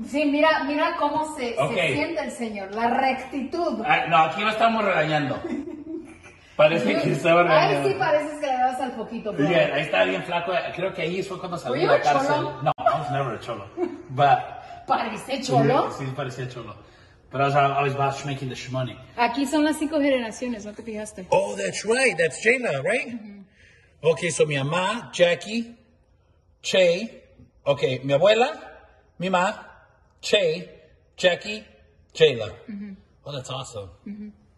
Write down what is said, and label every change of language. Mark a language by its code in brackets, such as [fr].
[es] Sí, mira cómo se siente el señor. La rectitud. No, aquí lo estamos regañando. Parece que estaba regañando. Ahí sí pareces que le dabas al poquito. Pero... Bien, ahí está bien flaco. Creo que ahí fue cuando salió la cárcel. [en] No, I was never a cholo. But, [es] ¿parece cholo? Sí, parecía cholo. [en] But I was always about making the shmoney. [es] Aquí son las cinco generaciones, ¿no te fijaste? [en] Oh, that's right. That's Jayla, right? Mm-hmm. Okay, so [es] mi mamá, [en] Jackie, Che. Okay, [es] mi abuela, mi mamá, [en] Che, Jackie, Jayla. Mm-hmm. Oh, that's awesome. Mm-hmm.